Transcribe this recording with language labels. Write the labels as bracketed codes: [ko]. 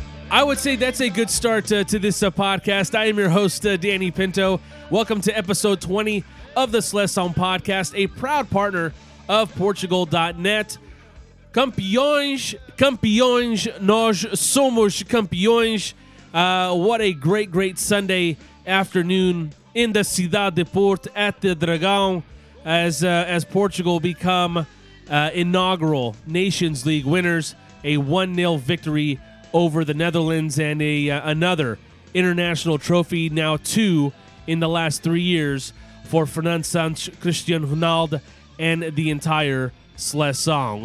[en] I would say that's a good start to this podcast. I am your host, Danny Pinto. Welcome to episode 20 of the Seleção Podcast, a proud partner of Portugal.net. [pt] Campeões, campeões, nós somos campeões. [en] What a great, great Sunday afternoon in the Cidade de Porto at the Dragão as Portugal become inaugural Nations League winners, a 1-0 victory over the Netherlands, and another international trophy, now two in the last 3 years for Fernando Santos, Cristiano Ronaldo, and the entire Seleção.